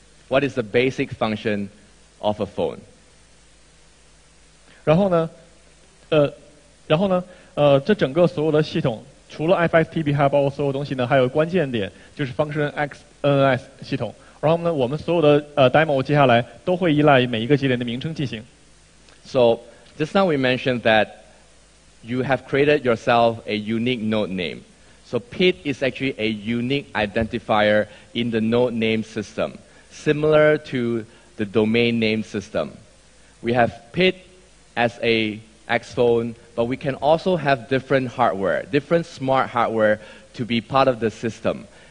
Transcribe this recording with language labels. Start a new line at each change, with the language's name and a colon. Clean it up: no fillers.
English: What is the basic function of a phone?
Chinese: 然后呢，这整个所有的系统，除了FSTP，还有包括所有东西呢，还有关键点，就是 function XNS 系统。然后呢，我们所有的demo接下来都会依赖每一个节点的名称进行。
English: So just now we mentioned that you have created yourself a unique node name. So Pitt is actually a unique identifier in the node name system, similar to the domain name system. We have Pitt as a XPhone, but we can also have different hardware, different smart hardware to be part of the system.